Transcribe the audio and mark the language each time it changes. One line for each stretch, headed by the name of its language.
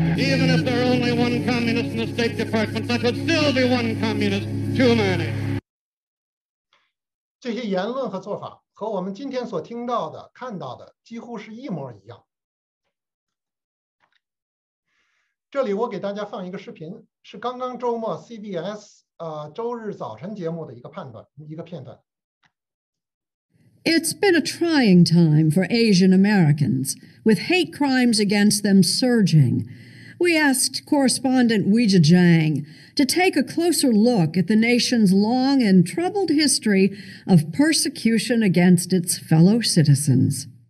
English: Even if there are only one communist in the State Department, that would still be one communist too many.
Chinese: 这些言论和做法和我们今天所听到的、看到的几乎是一模一样。这里我给大家放一个视频，是刚刚周末 CBS 周日早晨节目的一个片段。
English: It's been a trying time for Asian Americans, with hate crimes against them surging. We asked correspondent Weijia Zhang to take a closer look at the nation's long and troubled history of persecution against its fellow citizens.